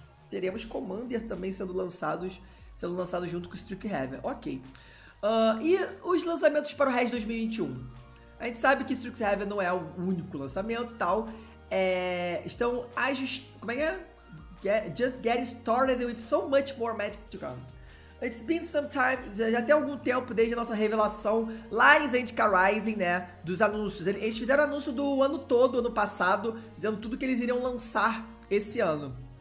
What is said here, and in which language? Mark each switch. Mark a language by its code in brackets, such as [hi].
[pt] Teremos Commander também sendo lançado junto com Strixhaven. Ok. E os lançamentos para o resto de 2021? A gente sabe que Strixhaven não é o único lançamento e tal. Estão ajust... Como é que é? [en] Just getting started with so much more magic to come. It's been some time... [pt] Já tem algum tempo desde a nossa revelação lá em Zendikar Rising, né? Dos anúncios. Eles fizeram anúncio do ano todo, ano passado, dizendo tudo que eles iriam lançar esse ano.